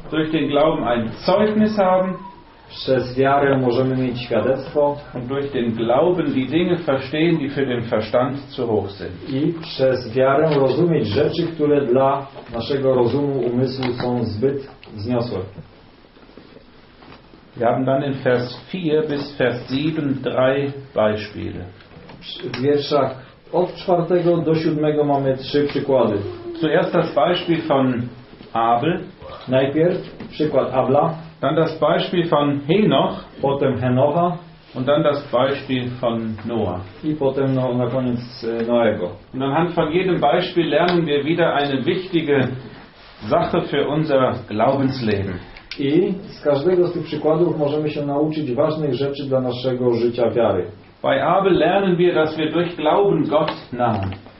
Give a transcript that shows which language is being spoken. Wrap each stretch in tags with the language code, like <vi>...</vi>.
<de>Durch den Glauben ein Zeugnis haben.</de> <pl>Przez wiarę możemy mieć świadectwo.</pl> <de>Und durch den Glauben die Dinge verstehen, die für den Verstand zu hoch sind.</de> <pl>I przez wiarę rozumieć rzeczy, które dla naszego rozumu, umysłu są zbyt wzniosłe.</pl> <de>Wir haben dann in Vers 4 bis Vers 7 drei Beispiele.</de> <pl>W wierszach od 4 do 7 mamy trzy przykłady.</pl> <de>Zuerst das Beispiel von Abel.</de> <pl>Najpierw przykład Abla.</pl> <de>Dann das Beispiel von Henoch.</de> <pl>Potem Henocha.</pl> <de>Und dann das Beispiel von Noah.</de> <pl>I potem no, na koniec Noego.</pl> <de>Und anhand von jedem Beispiel lernen wir wieder eine wichtige Sache für unser Glaubensleben.</de> <pl>I z każdego z tych przykładów możemy się nauczyć ważnych rzeczy dla naszego życia wiary.</pl> <de>Bei Abel lernen wir, dass wir durch Glauben Gott nahen.</de>